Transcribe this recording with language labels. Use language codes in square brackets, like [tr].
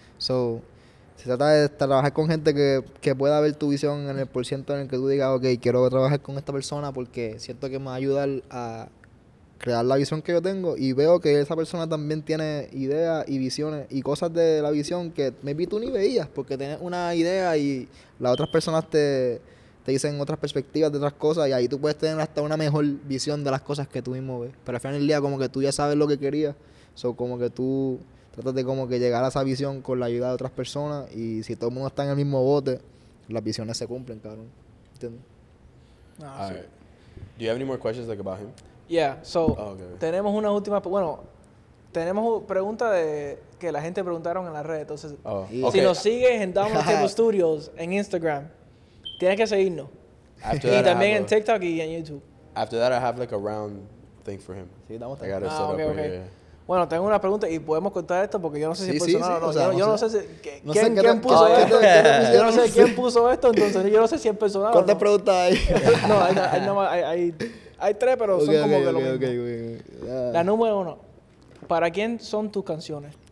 [es] So, se trata de trabajar con gente que pueda ver tu visión en el porciento en el que tú digas, ok, quiero trabajar con esta persona porque siento que me va a ayudar a crear la visión que yo tengo y veo que esa persona también tiene ideas y visiones y cosas de la visión que maybe tú ni veías porque tienes una idea y las otras personas te dicen otras perspectivas de otras cosas y ahí tú puedes tener hasta una mejor visión de las cosas que tú mismo ves. Pero al final del día como que tú ya sabes lo que querías. So, como que tú tratas de como que llegar a esa visión con la ayuda de otras personas y si todo el mundo está en el mismo bote, las visiones se cumplen, cabrón. ¿Entiendes? Ah, all sí. [en] right. Do you have any more questions like about him? Yeah, so oh, okay. [es] Tenemos una última, bueno, tenemos pregunta de que la gente preguntaron en la red, entonces oh. Si okay. nos sigues en Down Table Studios en Instagram. Tienes que seguirnos. [en] After that, [es] y también en TikTok y en YouTube. [en] After that, I have like a round thing for him. [es] Sí, damos tiempo. Ah, okay, okay. Bueno, tengo una pregunta y podemos contar esto porque yo no sé si es personal o no. Yo no sé si... ¿Quién puso esto? Yo no sé quién puso esto, entonces yo no sé si es personal. ¿Cuántas preguntas hay? No, hay tres, pero son como que lo mismo. La número uno. ¿Para quién son tus canciones?